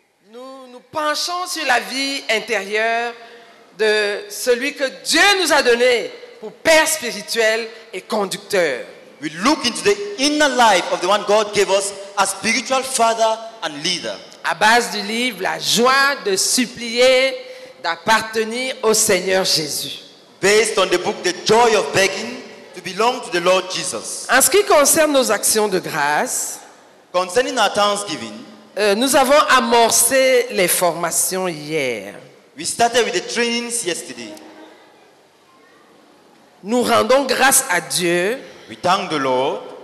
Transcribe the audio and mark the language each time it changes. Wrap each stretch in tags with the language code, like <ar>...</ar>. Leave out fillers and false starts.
<fr>nous nous penchons sur la vie intérieure de celui que Dieu nous a donné pour père spirituel et conducteur.</fr> <en>We look into the inner life of the one God gave us as spiritual father and leader.</en> <fr>À base du livre, la joie de supplier d'appartenir au Seigneur Jésus.</fr> <en>Based on the book, the joy of begging to belong to the Lord Jesus.</en> <fr>En ce qui concerne nos actions de grâce,</fr> <en>concerning our thanksgiving,</en> <fr>nous avons amorcé les formations hier.</fr> <en>We started with the trainings yesterday.</en> <fr>Nous rendons grâce à Dieu.</fr> <en>We thank the Lord.</en>